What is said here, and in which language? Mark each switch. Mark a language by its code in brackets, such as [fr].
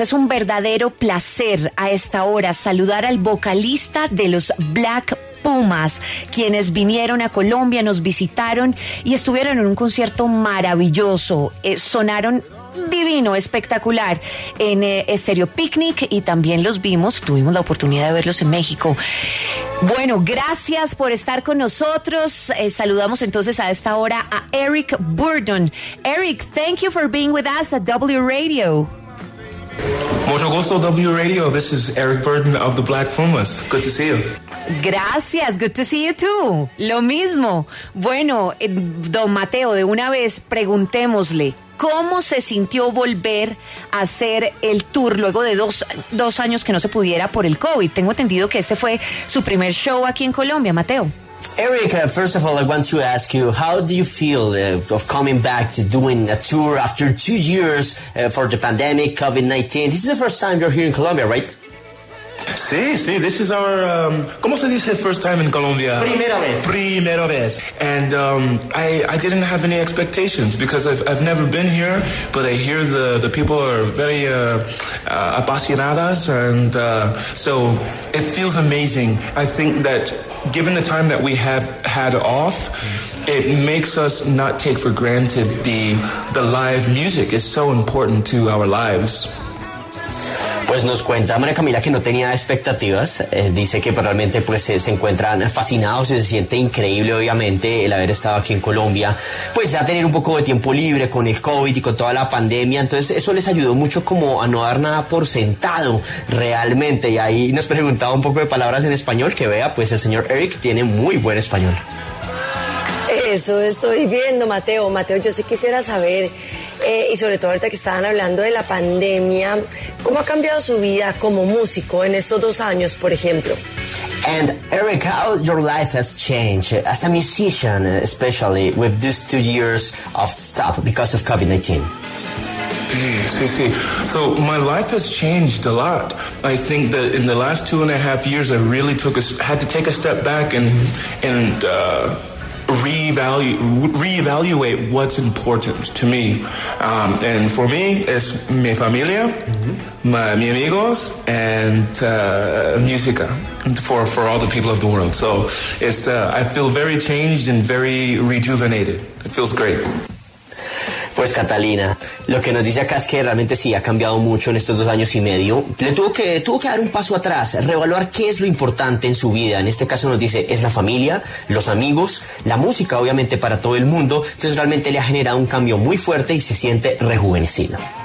[es] Es un verdadero placer a esta hora saludar al vocalista de los Black Pumas, quienes vinieron a Colombia, nos visitaron y estuvieron en un concierto maravilloso. Sonaron divino, espectacular, en Estéreo Picnic, y también los vimos, tuvimos la oportunidad de verlos en México. Bueno, gracias por estar con nosotros. Saludamos entonces a esta hora a Eric Burdon. [en] Eric, thank you for being with us at W Radio. [es] Mucho gusto, [en] W Radio. This is Eric Burdon of the Black Pumas. Good to see you. Gracias, good to see you too. [es] Lo mismo. Bueno, don Mateo, de una vez preguntémosle, ¿cómo se sintió volver a hacer el tour luego de dos años que no se pudiera por el COVID? Tengo entendido que este fue su primer show aquí en Colombia, Mateo. [en] Eric, first of all, I want to ask you, how do you feel of coming back to doing a tour after 2 years for the pandemic, COVID-19? This is the first time you're here in Colombia, right? [es] Sí, sí, [en] this is our, [es] ¿cómo se dice [en] first time in Colombia? [es] Primera vez. [en] And I didn't have any expectations because I've never been here, but I hear the people are very apasionadas, and so it feels amazing. I think that given the time that we have had off, it makes us not take for granted the live music. It's so important to our lives. [es] Pues nos cuenta María Camila que no tenía expectativas, dice que realmente pues se encuentran fascinados, se siente increíble obviamente el haber estado aquí en Colombia, pues ya tener un poco de tiempo libre con el COVID y con toda la pandemia, entonces eso les ayudó mucho como a no dar nada por sentado realmente, y ahí nos preguntaba un poco de palabras en español, que vea, pues el señor Eric tiene muy buen español. Eso estoy viendo, Mateo. Mateo, yo sí quisiera saber, y sobre todo ahorita que estaban hablando de la pandemia, ¿cómo ha cambiado su vida como músico en estos dos años, por ejemplo? [en] And Eric, how your life has changed as a musician, especially with these 2 years of stop because of COVID-19? Sí. So my life has changed a lot. I think that in the last 2.5 years, I really had to take a step back reevaluate what's important to me, and for me it's [es] mi familia, [en] mm-hmm. [es] mi amigos, [en] and música for all the people of the world. So it's I feel very changed and very rejuvenated. It feels great. [es] Pues Catalina, lo que nos dice acá es que realmente sí ha cambiado mucho en estos dos años y medio. Le tuvo que dar un paso atrás, reevaluar qué es lo importante en su vida. En este caso nos dice, es la familia, los amigos, la música obviamente para todo el mundo. Entonces realmente le ha generado un cambio muy fuerte y se siente rejuvenecido.